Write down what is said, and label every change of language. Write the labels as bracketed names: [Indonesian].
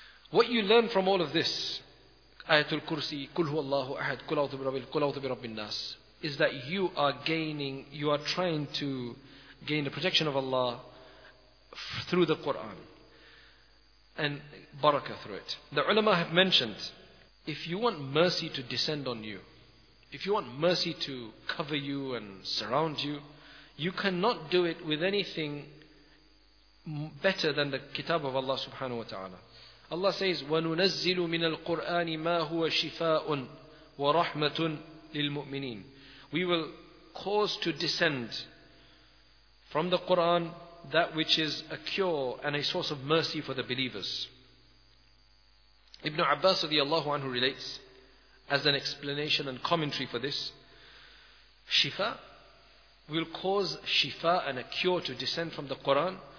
[English] What you learn from all of this, Ayatul Kursi, Kul Huwa Allahu Ahad, Kul A'udhu Birabbil Falaq, Kul A'udhu Birabbin Nas, is that you are gaining, you are trying to gain the protection of Allah through the Quran and barakah through it. The ulama have mentioned, if you want mercy to descend on you, if you want mercy to cover you and surround you, you cannot do it with anything better than the kitab of Allah subhanahu wa ta'ala. Allah says, [Arabic] وَنُنَزِّلُ مِنَ الْقُرْآنِ مَا هُوَ شِفَاءٌ وَرَحْمَةٌ لِلْمُؤْمِنِينَ. [English] We will cause to descend from the Qur'an that which is a cure and a source of mercy for the believers. Ibn Abbas radiallahu anhu relates, as an explanation and commentary for this, shifa, will cause shifa and a cure to descend from the Qur'an.